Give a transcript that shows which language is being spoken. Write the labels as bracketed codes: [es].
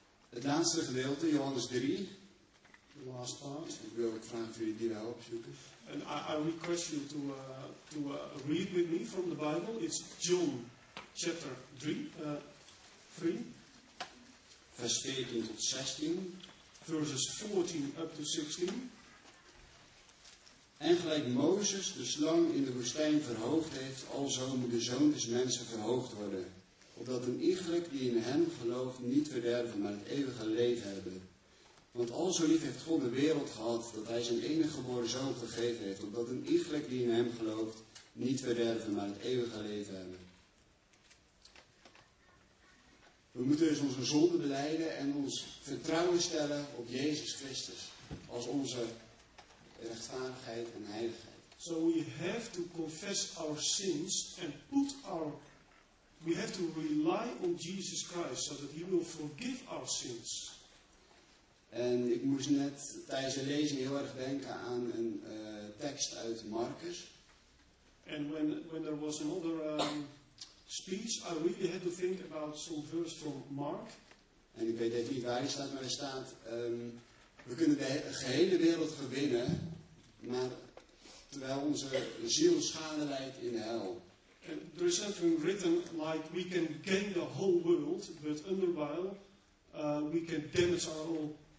[nl] Het laatste gedeelte, Johannes 3. [en] The last part. [nl] Ik wil ook vragen voor jullie die daar opzoeken. [en] And I request you to read with me from the Bible. It's John chapter 3. [nl] Vers 14 tot 16. [en] Verses 14 up to 16. [nl] En gelijk Mozes de slang in de woestijn verhoogd heeft, alzo moet de zoon des mensen verhoogd worden. Opdat een ieder die in hem gelooft niet verderven, maar het eeuwige leven hebben. Want al zo lief heeft God de wereld gehad, dat hij zijn enige geboren zoon gegeven heeft, opdat een ieder die in hem gelooft, niet verderven, maar het eeuwige leven hebben. We moeten dus onze zonde beleiden en ons vertrouwen stellen op Jezus Christus, als onze rechtvaardigheid en heiligheid. [en] So we have to confess our sins and put our... We have to rely on Jesus Christ, so that he will forgive our sins. [nl] En ik moest net tijdens de lezing heel erg denken aan een tekst uit Marcus. [en] And when there was another speech, I really had to think about some verse from Mark. [nl] En ik weet even niet waar hij staat, maar hij staat: we kunnen de gehele wereld gewinnen, maar terwijl onze ziel schade leidt in de hel. [en] And there is something written like we can gain the whole world, but underwhile we can damage our own.